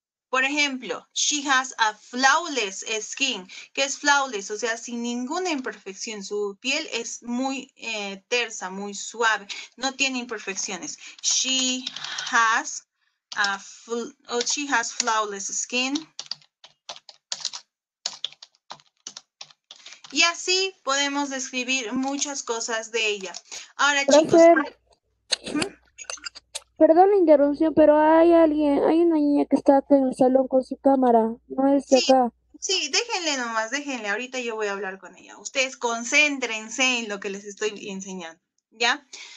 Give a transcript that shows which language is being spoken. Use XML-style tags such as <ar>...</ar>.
<es>Por ejemplo,</es> <en>she has a flawless skin,</en> <es>que es flawless, o sea, sin ninguna imperfección. Su piel es muy tersa, muy suave, no tiene imperfecciones.</es> <en>She has a she has flawless skin.</en> <es>Y así podemos describir muchas cosas de ella. Ahora, chicos. Perdón la interrupción, pero hay alguien, hay una niña que está en el salón con su cámara, no es sí, acá. Sí, déjenle nomás, déjenle, ahorita yo voy a hablar con ella. Ustedes concéntrense en lo que les estoy enseñando, ¿ya?</es>